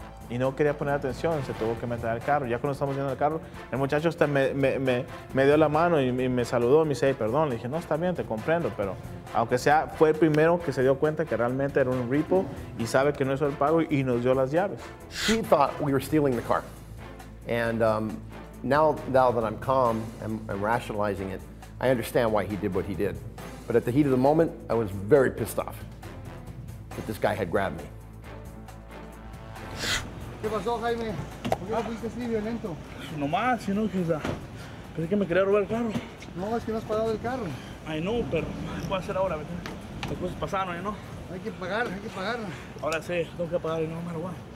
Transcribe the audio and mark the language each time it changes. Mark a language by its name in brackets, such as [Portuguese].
[Spanish] Y no quería poner atención, se tuvo que meter al carro. Ya cuando estamos yendo al carro, el muchacho hasta me dio la mano y me saludó, me dice, hey, perdón. Le dije, no, está bien, te comprendo, pero aunque sea, fue el primero que se dio cuenta que realmente era un repo y sabe que no hizo el pago y nos dio las llaves. [English] She thought we were stealing the car. And now that I'm calm and I'm rationalizing it, I understand why he did what he did. But at the heat of the moment, I was very pissed off that this guy had grabbed me. [Spanish] ¿Qué pasó, Jaime? ¿Por qué te fuiste así violento? No más, sino que pensé que me quería robar el carro. No, es que no has pagado el carro. Ay, no, pero ¿qué puedo hacer ahora? Las cosas pasaron, ¿no? Hay que pagar, hay que pagar. Ahora sí, tengo que pagar y no me lo voy.